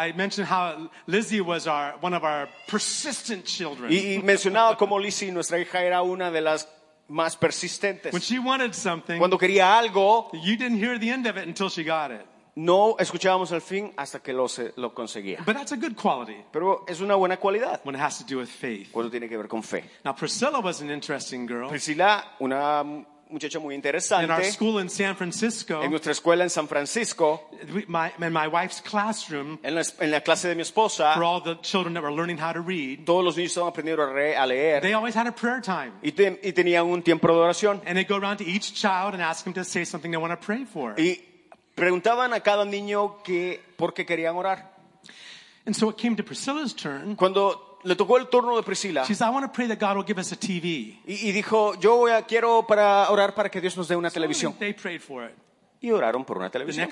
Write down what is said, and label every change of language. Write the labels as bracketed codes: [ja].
[en] Mentioned how Lizzie was one of our persistent children. [es] Y mencionaba como Lizzie, nuestra hija, era una de las más persistentes. [en] When she wanted something, [es] cuando quería algo, [en] you didn't hear the end of it until she got it. [es] No escuchábamos el fin hasta que lo conseguía. [en] But that's a good quality. [es] Pero es una buena cualidad. [en] When it has to do with faith. [es] Cuando tiene que ver con fe. [en] Now Priscilla was an interesting girl. [es] Priscilla, una muchacho muy interesante. [en] In our school in San Francisco. [es] En nuestra escuela en San Francisco. [en] In my wife's classroom. [es] En la clase de mi esposa. [en] For all the children that were learning how to read. [es] Todos los niños estaban aprendiendo a leer. [en] They always had a prayer time. [es] Y tenían un tiempo de oración. [en] And they'd go around to each child and ask them to say something they want to pray for. [es] Y preguntaban a cada niño que por qué querían orar. [en] And so it came to Priscilla's turn. [es] Cuando le tocó el turno de Priscila. [en] She said, "I want to pray that God will give us a TV." [es] Y dijo, "Yo quiero para orar para que Dios nos dé una televisión." [en] They prayed for it. [es] Y oraron por una televisión.